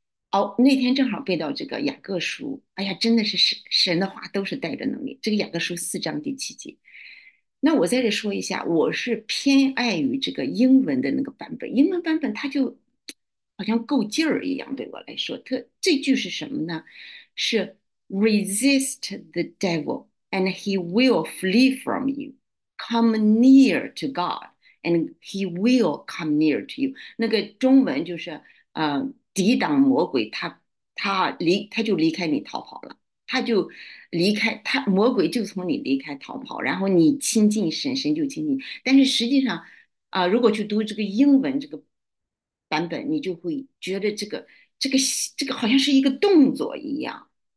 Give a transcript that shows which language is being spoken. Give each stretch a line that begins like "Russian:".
Chinese: 哦，那天正好背到这个雅各书，哎呀，真的是神的话都是带着能力。这个雅各书4章第7节。那我在这说一下，我是偏爱于这个英文的那个版本，英文版本它就好像够劲儿一样，对我来说，这句是什么呢？
English: 是 "Resist the devil and he will flee from you. Come near to God and he will come near to you."
Chinese: 那个中文就是，抵挡魔鬼，他就离开你逃跑了。他就离开他，魔鬼就从你离开逃跑，然后你亲近神，神就亲近。但是实际上，如果去读这个英文这个版本，你就会觉得这个好像是一个动作一样。